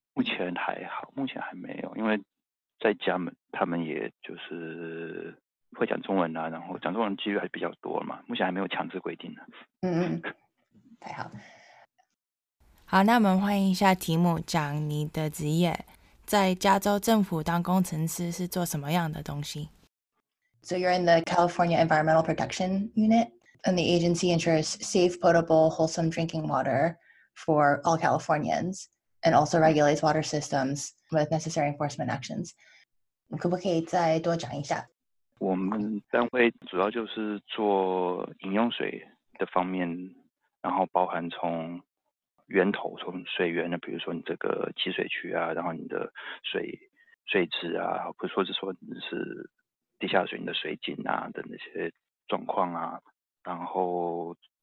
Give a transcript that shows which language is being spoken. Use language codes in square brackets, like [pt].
[zh] 目前还好，目前还没有，因为在家门他们也就是会讲中文啊，然后讲中文机率还比较多嘛，目前还没有强制规定呢、啊。嗯嗯，太好了。好，那我们欢迎一下提姆讲你的职业，在加州政府当工程师是做什么样的东西 [en] ？So you're in the California Environmental Protection Unit, and the agency ensures safe, potable, wholesome drinking water for all Californians, and also regulates water systems with necessary enforcement actions. [zh] 你可不可以再多讲一下？我们单位主要就是做饮用水的方面，然后包含从源头，从水源的，比如说你这个集水区啊，然后你的水质啊，不说是说你是地下水，你的水井啊的那些状况啊，然后